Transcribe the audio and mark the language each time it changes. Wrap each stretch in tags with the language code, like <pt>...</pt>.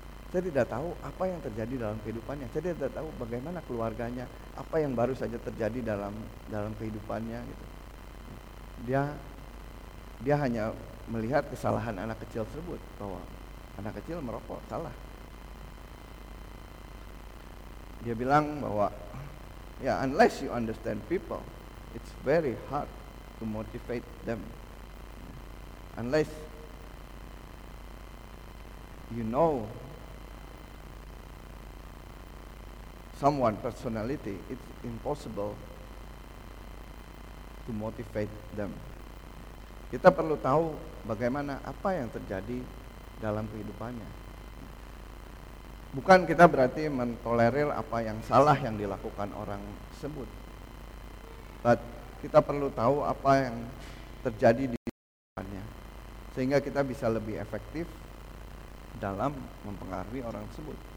<id>Saya tidak tahu apa yang terjadi dalam kehidupannya. Saya tidak tahu bagaimana keluarganya, apa yang baru saja terjadi dalam kehidupannya. Gitu. Dia hanya melihat kesalahan anak kecil tersebut, bahwa anak kecil merokok salah. Dia bilang bahwa, ya,</id> <en>unless you understand people, it's very hard to motivate them. Unless you know someone personality, it's impossible to motivate them.</en> <id>Kita perlu tahu bagaimana apa yang terjadi dalam kehidupannya. Bukan kita berarti mentolerir apa yang salah yang dilakukan orang tersebut. But kita perlu tahu apa yang terjadi di kehidupannya sehingga kita bisa lebih efektif dalam mempengaruhi orang tersebut.</id>